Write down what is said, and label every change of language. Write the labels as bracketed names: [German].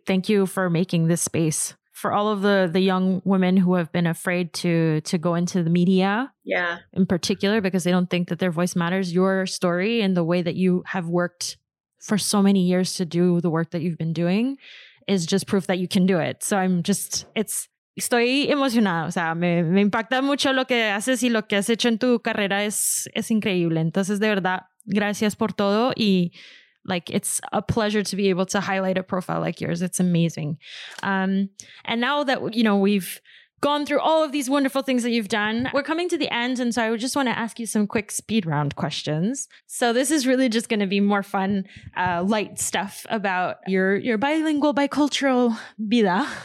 [English] Thank you for making this space for all of the young women who have been afraid to go into the media, yeah, in particular, because they don't think that their voice matters. Your story and the way that you have worked for so many years to do the work that you've been doing is just proof that you can do it. So I'm just, [Spanish] estoy emocionada. O sea, me impacta mucho lo que haces y lo que has hecho en tu carrera es increíble. Entonces, de verdad, gracias por todo. Y [English] like, it's a pleasure to be able to highlight a profile like yours. It's amazing. And now that, you know, we've gone through all of these wonderful things that you've done, we're coming to the end. And so I just want to ask you some quick speed round questions. So this is really just going to be more fun, light stuff about your bilingual, bicultural vida.